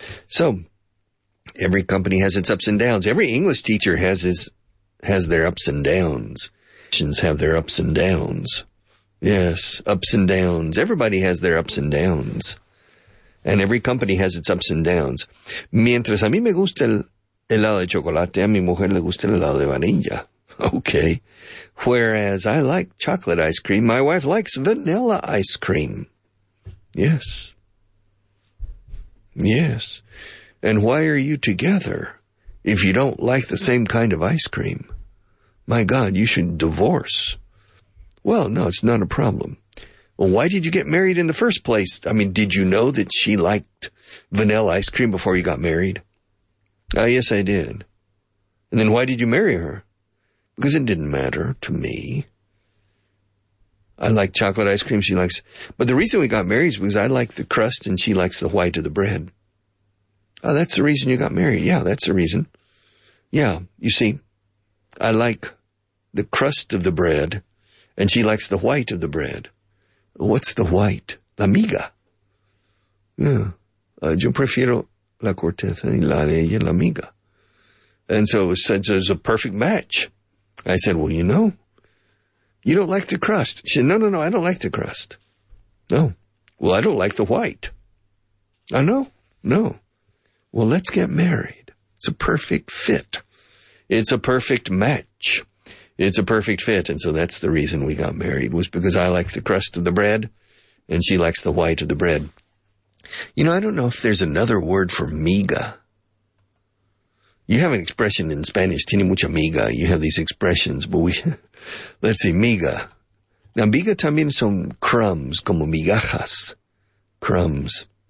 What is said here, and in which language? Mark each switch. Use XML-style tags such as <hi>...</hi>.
<en>So, every company has its ups and downs. Every English teacher has their ups and downs. Nations have their ups and downs. Yes, ups and downs. Everybody has their ups and downs. And every company has its ups and downs.</en> <es>Mientras a mí me gusta el helado de chocolate, a mi mujer le gusta el helado de vanilla.</es> <en>Okay. Whereas I like chocolate ice cream, my wife likes vanilla ice cream. Yes. Yes. And why are you together if you don't like the same kind of ice cream? My God, you should divorce. Well, no, it's not a problem. Well, why did you get married in the first place? I mean, did you know that she liked vanilla ice cream before you got married? Yes, I did. And then why did you marry her? Because it didn't matter to me. I like chocolate ice cream, she likes... But the reason we got married is because I like the crust and she likes the white of the bread. Oh, that's the reason you got married. Yeah, that's the reason. Yeah, you see, I like the crust of the bread and she likes the white of the bread. What's the white? La miga. Yeah.</en> <es>Yo prefiero la corteza y la de ella, la miga.</es> <en>And so it was a perfect match. I said, well, you know, you don't like the crust. She said, no, I don't like the crust. No. Well, I don't like the white. I know. No. Well, let's get married. It's a perfect fit. It's a perfect match. It's a perfect fit. And so that's the reason we got married, was because I like the crust of the bread and she likes the white of the bread. You know, I don't know if there's another word for miga. You have an expression in Spanish, tiene mucha miga. You have these expressions, but let's see, miga.</en> <es>Now, miga también son crumbs, como migajas, crumbs.</es>